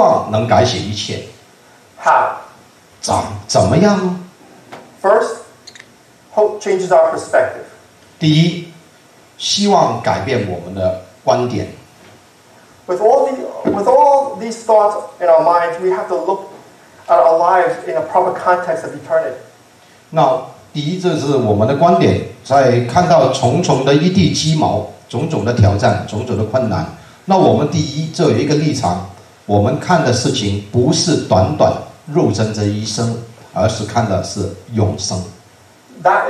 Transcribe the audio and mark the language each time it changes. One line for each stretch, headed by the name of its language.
Chinese: 那又回去我们说希望能改写一切。
English: How?
Chinese: 怎么样?
English: First, hope changes our perspective.
Chinese: 第一，希望改变我们的观点。
English: With all these thoughts in our minds, we have to look at our lives in a proper context of eternity.
Chinese: 那第一，这是我们的观点，在看到重重的一地鸡毛、种种的挑战、种种的困难，那我们第一，这有一个立场，我们看的事情不是短短肉身这一生，而是看的是永生。
English: That